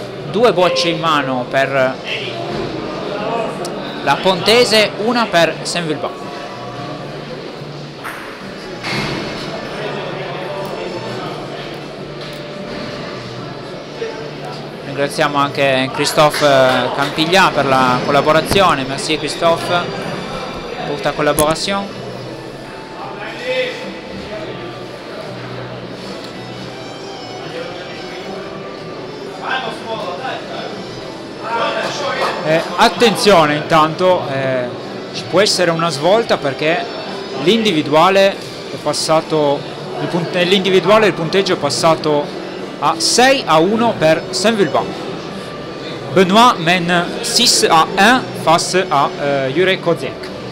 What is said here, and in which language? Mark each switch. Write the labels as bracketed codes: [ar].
[it] Due bocce in mano per la Pontese, una per Saint-Vulbas. Ringraziamo anche Christophe Campiglia per la collaborazione. [fr] Merci Christophe pour ta collaboration. [it] Attenzione, intanto ci può essere una svolta, perché l'individuale è passato, nell'individuale il punteggio è passato a 6 a 1 per Saint-Vulbas. [fr] Benoît mène 6 à 1 face à Jurek Kozienk.